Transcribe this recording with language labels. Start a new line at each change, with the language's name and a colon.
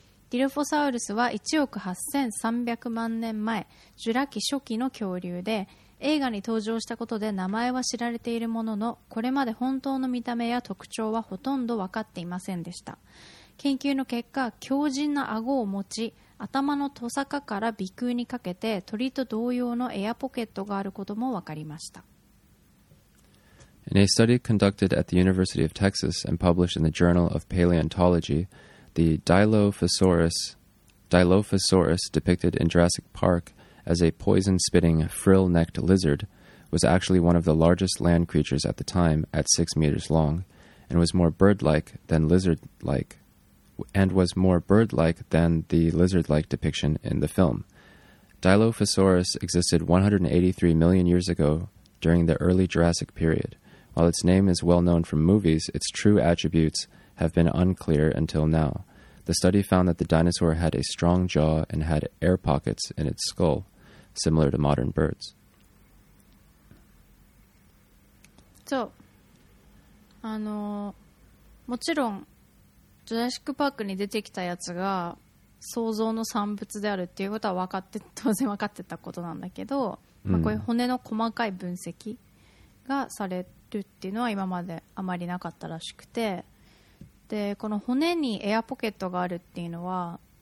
Japanese: ディルフォサウルスは1億8300万年前、ジュラ紀初期の恐竜で、映画に登場したことで名前は知られているものの、これまで本当の見た目や特徴はほとんど分かっていませんでした。研究の結果、強靭な顎を持ち、頭のトサカから鼻腔にかけて鳥と同様のエアポケットがあることも分かりました。
English: In a study conducted at the University of Texas and published in the Journal of Paleontology,The Dilophosaurus depicted in Jurassic Park as a poison-spitting, frill-necked lizard was actually one of the largest land creatures at the time at 6 meters long and was more bird-like than lizard-like and was more bird-like than the lizard-like depiction in the film. Dilophosaurus existed 183 million years ago during the early Jurassic period. While its name is well known from movies, its true attributes have been unclear until now. The study found that the dinosaur had a strong jaw and had air pockets in its skull, similar to modern birds.
Japanese: So, もちろん、ジュラシックパークに出てきたやつが想像の産物であるっていうことは分かって、当然分かってたことなんだけど、まあ、こういう骨の細かい分析がされるっていうのは今まであまりなかったらしくて、でこの骨にエアポケットがあるっていうのは